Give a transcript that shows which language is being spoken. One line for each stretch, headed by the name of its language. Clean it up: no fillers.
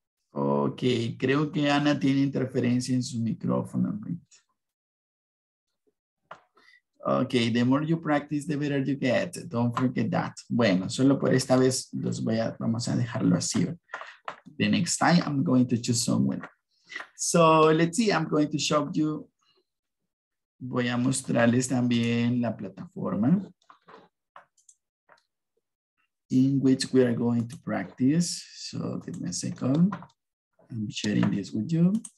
Spanish: Ok, creo que Ana tiene interferencia en su micrófono.
English: Ok, the more you practice, the better you get. Don't forget that.
Spanish: Bueno, solo por esta vez los voy a, vamos a dejarlo así.
English: The next time I'm going to choose someone. So, let's see, I'm going to show you.
Spanish: Voy a mostrarles también la plataforma
English: in which we are going to practice. So, give me a second. I'm sharing this with you.